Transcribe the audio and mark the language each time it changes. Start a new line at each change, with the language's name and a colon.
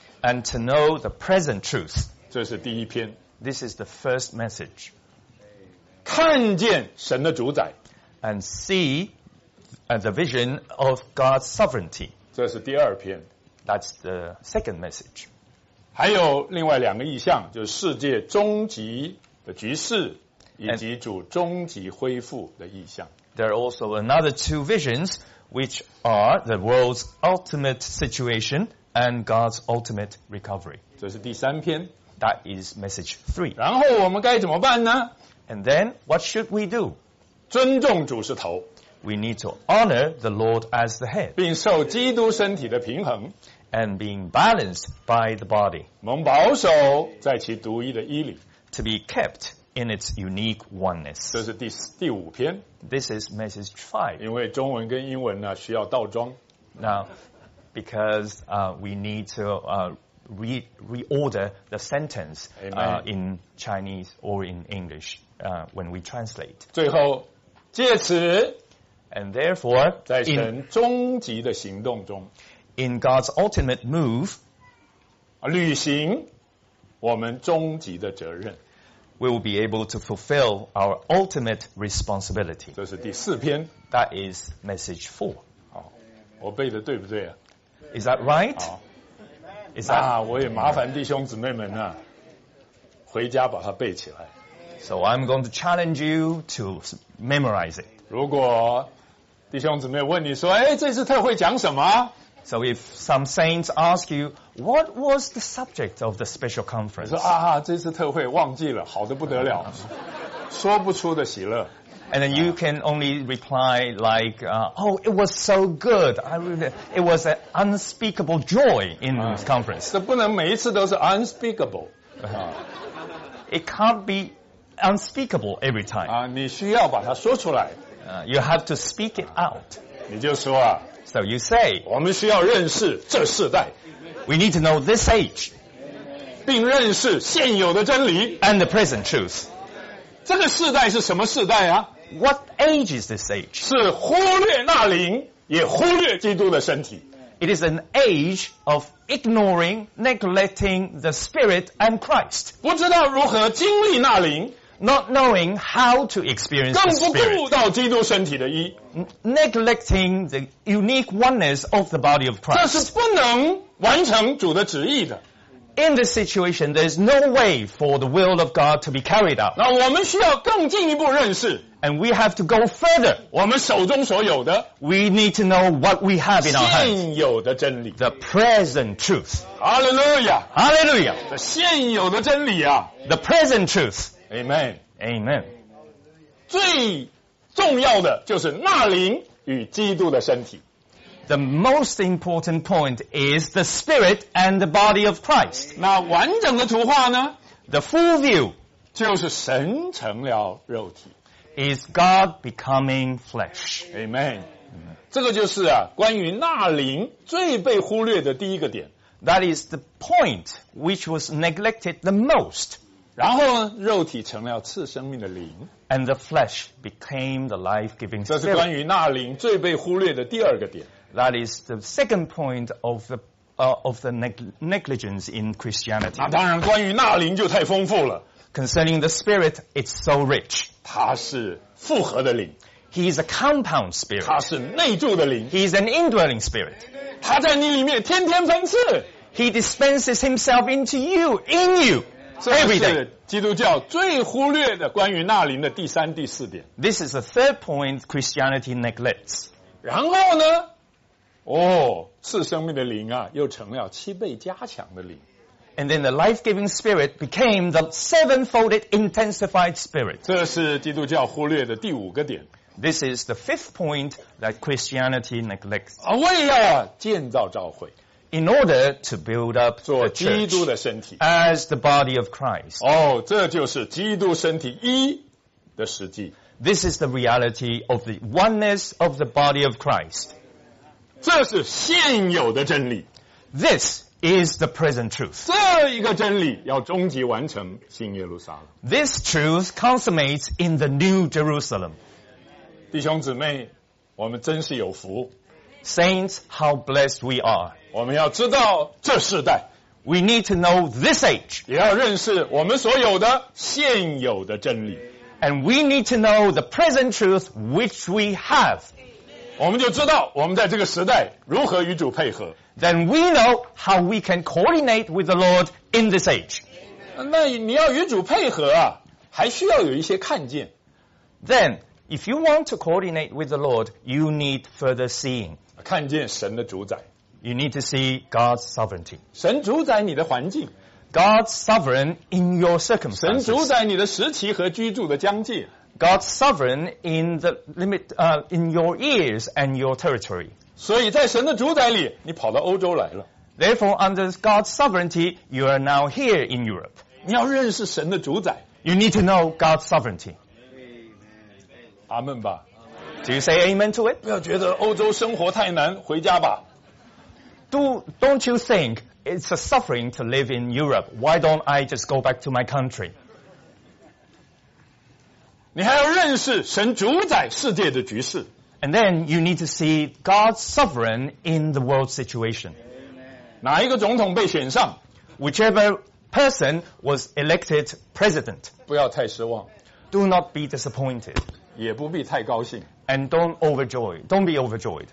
English: and to know the present truth
Chinese: 这是第一篇
English: this is the first message
Chinese: 看见神的主宰
English: and see the vision of God's sovereignty
Chinese: 这是第二篇
English: that's the second message
Chinese: 还有另外两个意象就是世界终极的局势以及主终极恢复的意象
English: and there are also another two visionsWhich are the world's ultimate situation and God's ultimate recovery.
Chinese: 这是第三篇。
English: That is message three.
Chinese: 然后我们该怎么办呢?
English: And then, what should we do?
Chinese: 尊重主是头。
English: We need to honor the Lord as the head.
Chinese: 并受基督身体的平衡。
English: And being balanced by the body.
Chinese: 蒙保守在其独一的衣里。
English: To be kept in its unique oneness.
Chinese: 这是第五篇。
English: This is message 5.
Chinese: 因为中文跟英文呢需要倒装。
English: Now, because we need to reorder the sentence in Chinese or in English when we translate.
Chinese: 最后，借此。
English: And therefore,
Chinese: 在神终极的行动中。
English: In God's ultimate move,
Chinese: 履行我们终极的责任。
English: We will be able to fulfill our ultimate responsibility.
Chinese: 这是第四篇。
English: That is message 4.
Chinese: 我背的对不对啊？
English: Is that right? Is that...
Chinese: 那我也麻烦弟兄姊妹们啊，回家把它背起来。
English: So I'm going to challenge you to memorize it.
Chinese: 如果弟兄姊妹问你说，哎，这次特会讲什么？
English: So if some saints ask you, what was the subject of the special conference?
Chinese: 你说啊，这次特会忘记了，好得不得了，说不出的喜乐。
English: And then you can only reply like, oh, it was so good. I really, it was an unspeakable joy in this conference.
Chinese: 这不能每一次都是 unspeakable.
English: It can't be unspeakable every time.
Chinese: 你需要把它说出来。
English: You have to speak it out.
Chinese: 你就说啊。
English: So you say,
Chinese: 我们需要认识这世代。
English: We need to know this age.
Chinese: 并认识现有的真理。
English: And the present truth.
Chinese: 这个世代是什么世代啊？
English: What age is this age?
Chinese: 是忽略那灵，也忽略基督的身体。
English: It is an age of ignoring, neglecting the Spirit and Christ.
Chinese: 不知道如何经历那灵。
English: Not knowing how to experience the Spirit.
Chinese: 更不顾到基督身体的一。
English: Neglecting the unique oneness of the body of Christ.
Chinese: 这是不能完成主的旨意的。
English: In this situation, there is no way for the will of God to be carried out.
Chinese: 那我们需要更进一步认识。
English: And we have to go further.
Chinese: 我们手中所有的。
English: We need to know what we have in our hands.
Chinese: 现有的真理。
English: The present truth. Hallelujah. Hallelujah.
Chinese: 这现有的真理啊。
English: The present truth. Amen. Amen.
Chinese: 最重要的就是那灵与基督的身体。
English: The most important point is the spirit and the body of Christ.
Chinese: 那完整的图画呢？
English: The full view
Chinese: 就是神成了肉体。
English: Is God becoming flesh. Amen.
Chinese: 这个就是啊，关于那灵最被忽略的第一个点。
English: That is the point which was neglected the most.
Chinese: 然后呢，肉体成了赐生命的灵。
English: And the flesh became the life-giving spirit.
Chinese: 这是关于那灵最被忽略的第二个点。
English: That is the second point of the negligence in Christianity.
Chinese: 那当然，关于那灵就太丰富了。
English: Concerning the spirit, it's so rich.
Chinese: 它是复合的灵。
English: He is a compound spirit.
Chinese: 它是内住的灵。
English: He is an indwelling spirit.
Chinese: 它在你里面天天分赐。
English: He dispenses himself into you, in you.
Chinese: 这是基督教最忽略的关于那灵的第三、第四点。
English: This is the third point Christianity neglects.
Chinese: 然后呢？哦，赐生命的灵啊，又成了七倍加强的灵。
English: And then the life-giving spirit became the sevenfolded intensified spirit.
Chinese: 这是基督教忽略的第五个点。
English: This is the fifth point that Christianity neglects.
Chinese: 啊，为了建造教会。
English: In order to build up the church
Chinese: 做基督的身体
English: as the body of Christ.
Chinese: 哦，这就是基督身体一的实际。
English: This is the reality of the oneness of the body of Christ.
Chinese: 这是现有的真理。
English: This is the present truth.
Chinese: 这一个真理要终极完成新耶路撒冷。
English: This truth consummates in the new Jerusalem.
Chinese: 弟兄姊妹，我们真是有福。
English: Saints, how blessed we are.
Chinese: 我们要知道这世代。
English: We need to know this age.
Chinese: 也要认识我们所有的现有的真理。
English: And we need to know the present truth which we have.
Chinese: 我们就知道我们在这个时代如何与主配合。
English: Then we know how we can coordinate with the Lord in this age.
Chinese: 那你要与主配合啊，还需要有一些看见。
English: Then,If you want to coordinate with the Lord, you need further seeing.
Chinese: 看见神的主宰。
English: You need to see God's sovereignty.
Chinese: 神主宰你的环境。
English: God's sovereign in your circumstances.
Chinese: 神主宰你的时期和居住的疆界。
English: God's sovereign in the limit, in your years and your territory.
Chinese: 所以在神的主宰里，你跑到欧洲来了。
English: Therefore, under God's sovereignty, you are now here in Europe.
Chinese: 你要认识神的主宰。
English: You need to know God's sovereignty.
Chinese: Amen 吧。
English: Do you say amen to it?
Chinese: 不要觉得欧洲生活太难，回家吧。
English: Don't you think it's a suffering to live in Europe? Why don't I just go back to my country?
Chinese: 你还要认识神主宰世界的局势。
English: And then you need to see God sovereign in the world situation.
Chinese: 哪一个总统被选上？
English: Whichever person was elected president.
Chinese: 不要太失望。
English: Do not be disappointed.
Chinese: 也不必太高兴。
English: And don't be overjoyed.